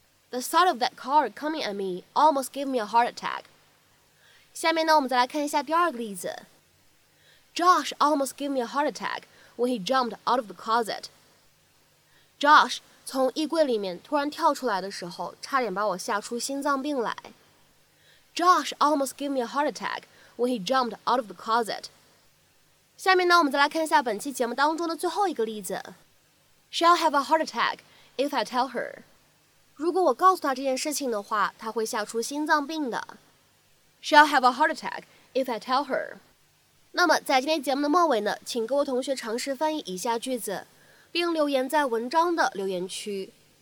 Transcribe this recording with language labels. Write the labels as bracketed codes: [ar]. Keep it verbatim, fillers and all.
[en] The sight of that car coming at me almost gave me a heart attack. [zh] 下面呢，我们再来看一下第二个例子。 [en] Josh almost gave me a heart attack when he jumped out of the closet. [zh] Josh 从衣柜里面突然跳出来的时候，差点把我吓出心脏病来。 [en] Josh almost gave me a heart attack when he jumped out of the closet. [zh] 下面呢，我们再来看一下本期节目当中的最后一个例子。 [en] She'll have a heart attack if I tell her. [zh] 如果我告诉她这件事情的话，她会吓出心脏病的。 [en] She'll have a heart attack if I tell her. [zh] 那么在今天节目的末尾呢，请各位同学尝试翻译以下句子，并留言在文章的留言区。